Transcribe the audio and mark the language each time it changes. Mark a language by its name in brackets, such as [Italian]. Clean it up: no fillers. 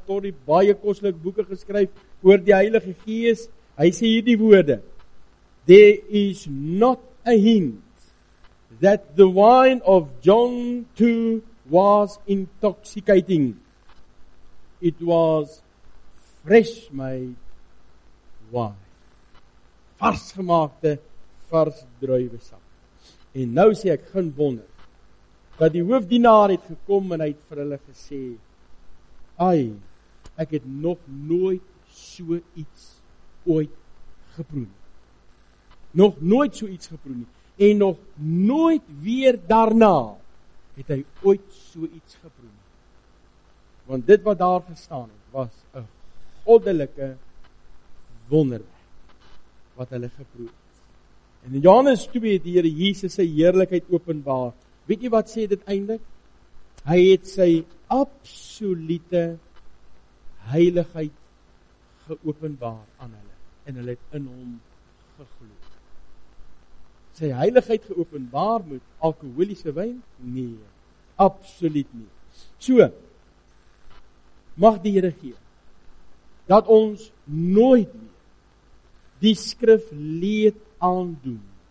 [Afrikaans] Torrey, baie kostelik boeke geskryf oor die Heilige Gees. [English] Hy sê hier die woorde, There is not a hint that the wine of John 2 was intoxicating. It was fresh made wine. [Afrikaans] Vars gemaakte vars druiwe sap. En nou sê ek geen wonder dat die hoofdienaar het gekom en hy het vir hulle gesê, ai, ek het nog nooit so iets ooit geproe. Nog nooit so iets geproe nie. En nog nooit weer daarna het hy ooit so iets geproe. Want dit wat daar gestaan het, was een goddelike wonderwerk wat hulle geproe. En in Johannes 2 het die Heere Jesus sy heerlijkheid openbaar. Weet jy wat sê dit eindelijk? Hy het sy absolute heiligheid geopenbaar aan hulle. En hulle het in hom gegloe. Sy heiligheid geopenbaar met alkoholiese wijn? Nee, absoluut nie. So, mag die Heere gee, dat ons nooit meer die skrif leed aandoen.